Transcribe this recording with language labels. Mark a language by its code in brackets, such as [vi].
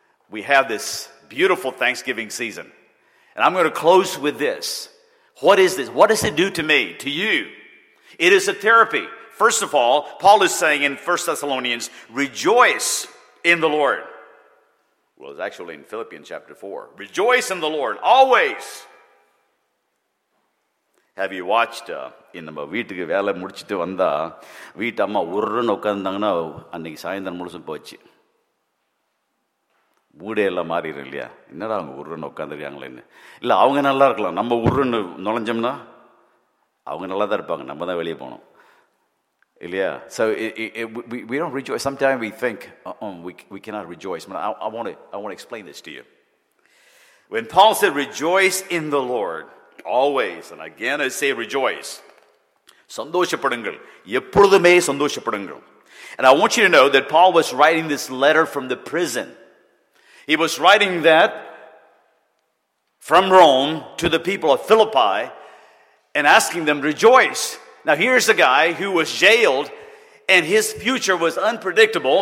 [en] We have this beautiful Thanksgiving season. And I'm going to close with this. What is this? What does it do to me, to you? It is a therapy. First of all, Paul is saying in 1 Thessalonians, rejoice in the Lord. Well, it's actually in Philippians chapter 4. Rejoice in the Lord, always. Have you watched? [ta] நம்ம வீட்டுக்கு வேலை முடிச்சுட்டு வந்தா வீட்டு அம்மா உருன்னு உட்காந்துருந்தாங்கன்னா அன்னைக்கு சாயந்தரம் முழுசும் போச்சு. மூடே எல்லாம் மாறிடும் இல்லையா? என்னடா அவங்க உருன்னு உட்காந்துருக்காங்களேன்னு. இல்லை அவங்க நல்லா இருக்கலாம், நம்ம உருன்னு நுழைஞ்சோம்னா அவங்க நல்லா தான் இருப்பாங்க, நம்ம தான் வெளியே போகணும் இல்லையா? [en] So we don't rejoice. Sometimes we think we cannot rejoice. But I want to explain this to you. When Paul said rejoice in the Lord always, and again I say rejoice. [ta] சந்தோஷப்படுங்கள், எப்பொழுதுமே சந்தோஷப்படுங்கள். [en] And I want you to know that Paul was writing this letter from the prison. He was writing that from Rome to the people of Philippi and asking them, rejoice. Now here's a guy who was jailed and his future was unpredictable.